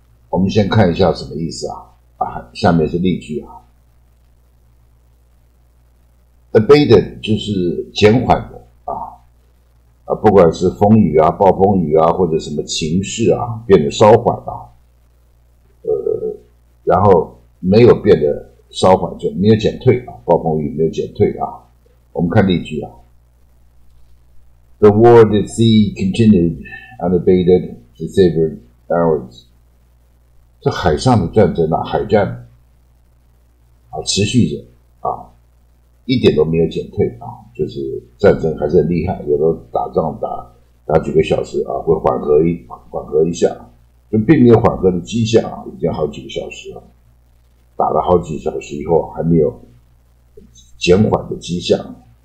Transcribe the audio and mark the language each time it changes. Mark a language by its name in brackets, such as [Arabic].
[Chinese] 我们先看一下什么意思啊。下面是例句啊 ，abated 就是减缓的啊，不管是风雨啊、暴风雨啊，或者什么情势啊，变得稍缓啊，然后没有变得稍缓，就没有减退啊，暴风雨没有减退啊。我们看例句啊 [English] ，The war at sea continued unabated for several hours. [Chinese] 这海上的战争啊，海战啊，持续着啊，一点都没有减退啊，就是战争还是很厉害，有的打仗打几个小时啊，会缓和一下，就并没有缓和的迹象啊，已经好几个小时了，打了好几小时以后还没有减缓的迹象。